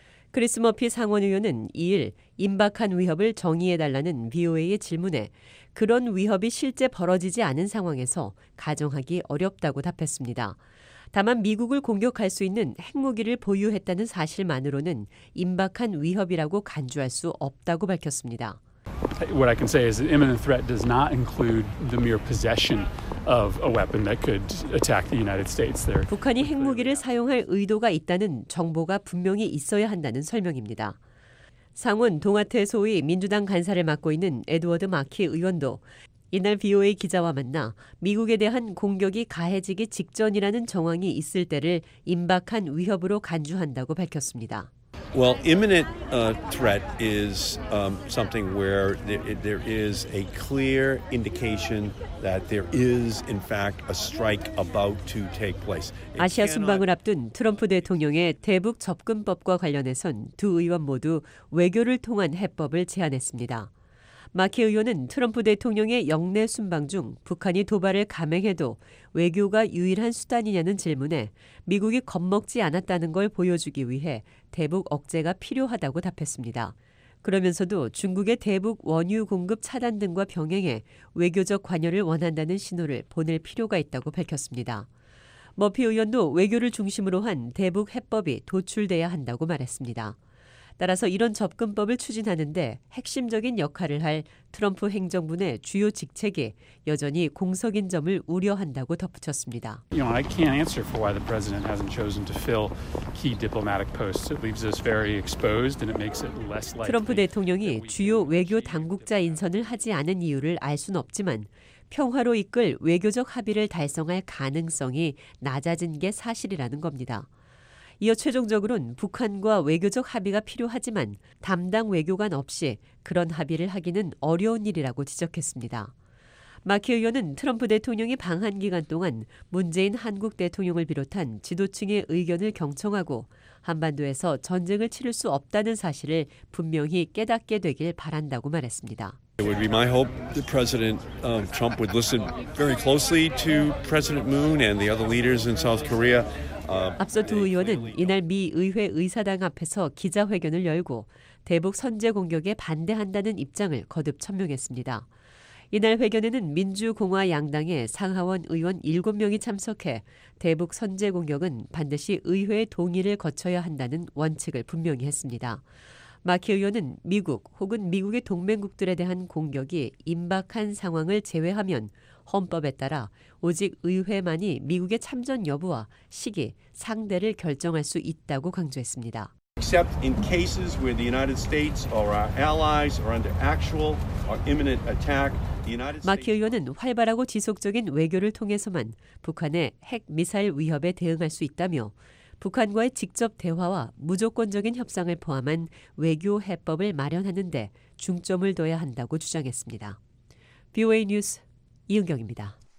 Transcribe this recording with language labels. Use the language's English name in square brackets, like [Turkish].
[Korean] 크리스 머피 상원 의원은 2일 임박한 위협을 정의해달라는 VOA의 질문에 그런 위협이 실제 벌어지지 않은 상황에서 가정하기 어렵다고 답했습니다. 다만 미국을 공격할 수 있는 핵무기를 보유했다는 사실만으로는 임박한 위협이라고 간주할 수 없다고 밝혔습니다. [English] What I can say is that imminent threat does not include the mere possession of a weapon that could attack the United States. [Korean] 북한이 핵무기를 사용할 의도가 있다는 정보가 분명히 있어야 한다는 설명입니다. 상원 동아태 소위 민주당 간사를 맡고 있는 에드워드 마키 의원도 이날 VOA 기자와 만나 미국에 대한 공격이 가해지기 직전이라는 정황이 있을 때를 임박한 위협으로 간주한다고 밝혔습니다. [English] Well, imminent threat is something where there is a clear indication that there is, in fact, a strike about to take place. [Korean] 아시아 순방을 앞둔 트럼프 대통령의 대북 접근법과 관련해선 두 의원 모두 외교를 통한 해법을 제안했습니다. 마키 의원은 트럼프 대통령의 영내 순방 중 북한이 도발을 감행해도 외교가 유일한 수단이냐는 질문에 미국이 겁먹지 않았다는 걸 보여주기 위해 대북 억제가 필요하다고 답했습니다. 그러면서도 중국의 대북 원유 공급 차단 등과 병행해 외교적 관여를 원한다는 신호를 보낼 필요가 있다고 밝혔습니다. 머피 의원도 외교를 중심으로 한 대북 해법이 도출돼야 한다고 말했습니다. 따라서 이런 접근법을 추진하는데 핵심적인 역할을 할 트럼프 행정부 내 주요 직책이 여전히 공석인 점을 우려한다고 덧붙였습니다. [English] You know, I can't answer for why the president hasn't chosen to fill key diplomatic posts. It leaves us very exposed and it makes it less likely. [Korean] 트럼프 대통령이 주요 외교 당국자 인선을 하지 않은 이유를 알 순 없지만 평화로 이끌 외교적 합의를 달성할 가능성이 낮아진 게 사실이라는 겁니다. 이어 최종적으로는 북한과 외교적 합의가 필요하지만 담당 외교관 없이 그런 합의를 하기는 어려운 일이라고 지적했습니다. 마키 의원은 트럼프 대통령이 방한 기간 동안 문재인 한국 대통령을 비롯한 지도층의 의견을 경청하고 한반도에서 전쟁을 치를 수 없다는 사실을 분명히 깨닫게 되길 바란다고 말했습니다. [English] It would be my hope that President Trump would listen very closely to President Moon and the other leaders in South Korea. [Korean] 앞서 두 의원은 이날 미 의회 의사당 앞에서 기자회견을 열고 대북 선제 공격에 반대한다는 입장을 거듭 천명했습니다. 이날 회견에는 민주공화 양당의 상하원 의원 7명이 참석해 대북 선제 공격은 반드시 의회의 동의를 거쳐야 한다는 원칙을 분명히 했습니다. 마키 의원은 미국 혹은 미국의 동맹국들에 대한 공격이 임박한 상황을 제외하면 헌법에 따라 오직 의회만이 미국의 참전 여부와 시기, 상대를 결정할 수 있다고 강조했습니다. [English] Except in cases where the United States or our allies are under actual or imminent attack, the United States. [Korean] 마키 의원은 활발하고 지속적인 외교를 통해서만 북한의 핵 미사일 위협에 대응할 수 있다며 북한과의 직접 대화와 무조건적인 협상을 포함한 외교 해법을 마련하는 데 중점을 둬야 한다고 주장했습니다. VOA 뉴스 이은경입니다.